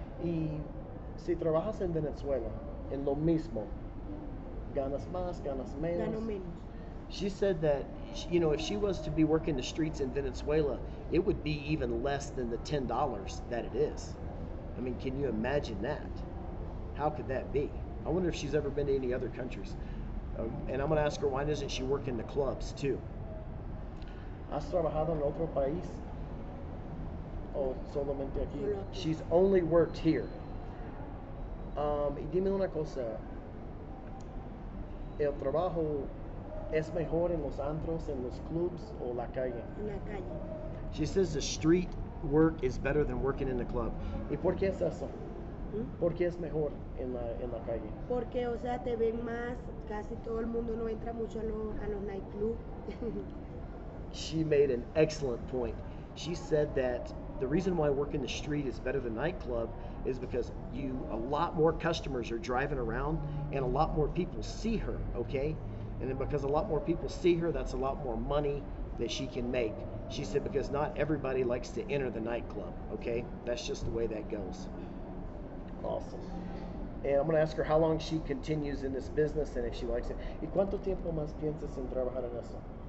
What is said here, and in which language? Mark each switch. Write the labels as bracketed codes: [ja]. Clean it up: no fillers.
[es] ¿Sí? Y si trabajas en Venezuela, en lo mismo, ¿ganas más, ganas menos? Gano menos. [en] She said that, you know, if she was to be working the streets in Venezuela, it would be even less than the $10 that it is. I mean, can you imagine that? How could that be? I wonder if she's ever been to any other countries. And I'm gonna ask her, why doesn't she work in the clubs too? [es] ¿Has trabajado en otro país? ¿O solamente aquí? [en] She's only worked here. [es] Y dime una cosa. ¿El trabajo es mejor en los antros, en los clubs, o la calle? La calle. [en] She says the street work is better than working in the club. [es] ¿Y por qué es eso? ¿Por qué es mejor en la calle? Porque, o sea, te ven más, casi todo el mundo no entra mucho a los nightclubs. [en] She made an excellent point. She said that the reason why working the street is better than nightclub is because a lot more customers are driving around and a lot more people see her, okay? And then because a lot more people see her, that's a lot more money that she can make. She said because not everybody likes to enter the nightclub, okay? That's just the way that goes. Awesome. And I'm going to ask her how long she continues in this business and if she likes it. [es] ¿Y cuánto tiempo más piensas en trabajar en eso?